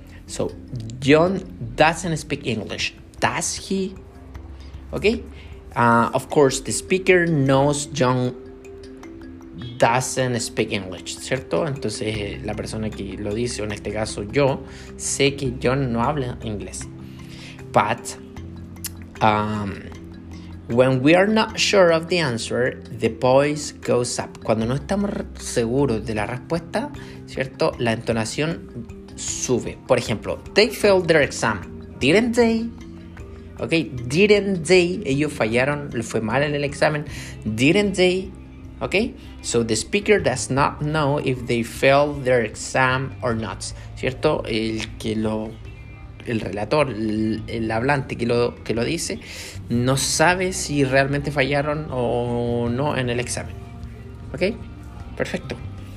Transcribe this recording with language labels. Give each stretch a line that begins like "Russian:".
English: So, John doesn't speak English. Does he? ¿Ok? Of course, the speaker knows John doesn't speak English, ¿cierto?
Spanish: Entonces, la persona que lo dice, o en este caso yo, sé que John no habla inglés.
English: But when we are not sure of the answer, the voice goes up.
Spanish: Cuando no estamos seguros de la respuesta, ¿cierto?, la entonación sube. Por ejemplo,
English: they failed their exam, didn't they? Ok, didn't they?
Spanish: Ellos fallaron, les fue mal en el examen.
English: Didn't they? Ok, so the speaker does not know if they failed their exam or not.
Spanish: ¿Cierto? El relator, el hablante que lo dice, no sabe si realmente fallaron o no en el examen. ¿Ok? Perfecto.